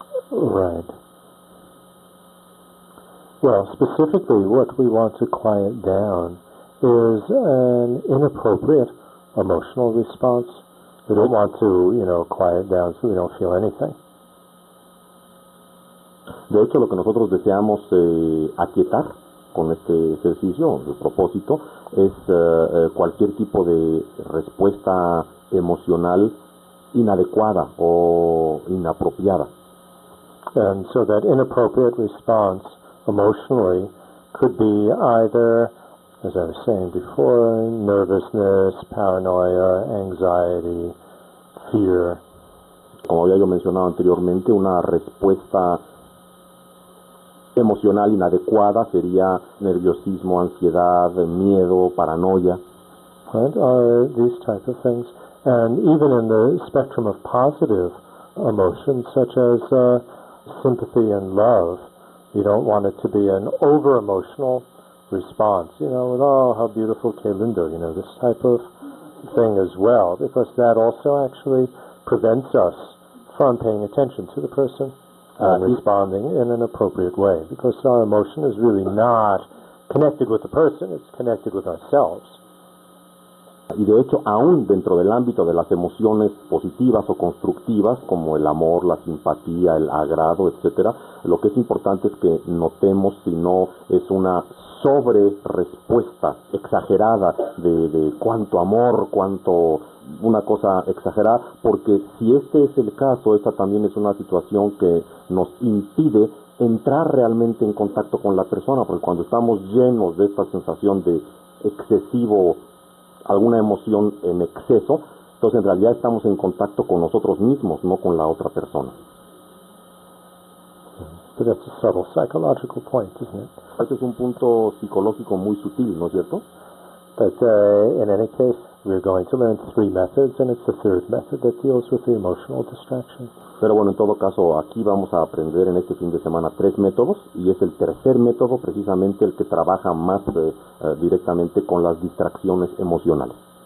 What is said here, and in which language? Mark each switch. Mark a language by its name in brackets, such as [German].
[English] Right. Well, specifically, what we want to quiet down is an inappropriate emotional response. We don't want to, quiet down so we don't feel anything. [Spanish] De hecho, lo que nosotros deseamos aquietar con este ejercicio, el propósito, es cualquier tipo de respuesta emocional inadecuada o inapropiada. [English] And so that inappropriate response emotionally could be either, as I was saying before, nervousness, paranoia, anxiety, fear. [Spanish] Como había yo mencionado anteriormente, una respuesta emocional inadecuada sería nerviosismo, ansiedad, miedo, paranoia. [English] What are these type of things? And even in the spectrum of positive emotions, such as sympathy and love, you don't want it to be an over-emotional response, with, oh, how beautiful, [Spanish] qué lindo, [English] this type of thing as well, because that also actually prevents us from paying attention to the person. And responding in an appropriate way, because our emotion is really not connected with the person, it's connected with ourselves. [Spanish] Y de hecho, aún dentro del ámbito de las emociones positivas o constructivas, como el amor, la simpatía, el agrado, etcétera, lo que es importante es que notemos si no es una sobre respuesta exagerada de cuánto amor, cuánto una cosa exagerada, porque si este es el caso, esta también es una situación que nos impide entrar realmente en contacto con la persona, porque cuando estamos llenos de esta sensación de excesivo, alguna emoción en exceso, entonces en realidad estamos en contacto con nosotros mismos, no con la otra persona. [English] So that's a subtle psychological point, isn't it? [Spanish] Ese es un punto psicológico muy sutil, ¿no es cierto? [English] But in any case, we're going to learn three methods, and it's the third method that deals with the emotional distraction. [Spanish] Pero bueno, en todo caso, aquí vamos a aprender en este fin de semana tres métodos, y es el tercer método precisamente el que trabaja más directamente con las distracciones emocionales.